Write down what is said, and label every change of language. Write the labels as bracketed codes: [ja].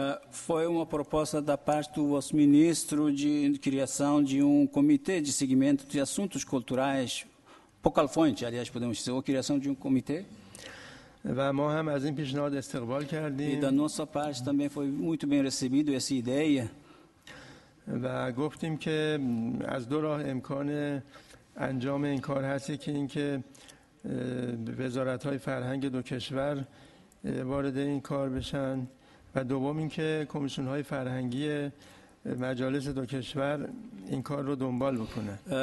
[pt] Foi uma proposta da parte do vosso ministro de criação de comitê de seguimento de assuntos culturais, Pocal Fonte, aliás, podemos dizer, ou criação de comitê. [fa] و ما هم از این پیشنهاد استقبال کردیم. [pt] E da nossa parte também foi muito bem recebido essa ideia. [fa] و گفتیم که از دو راه امکان انجام این کار هست، که اینکه وزارت‌های فرهنگ دو کشور وارد این کار بشن و دوم اینکه کمیسیون‌های فرهنگی مجالس دو کشور این کار رو دنبال بکنه.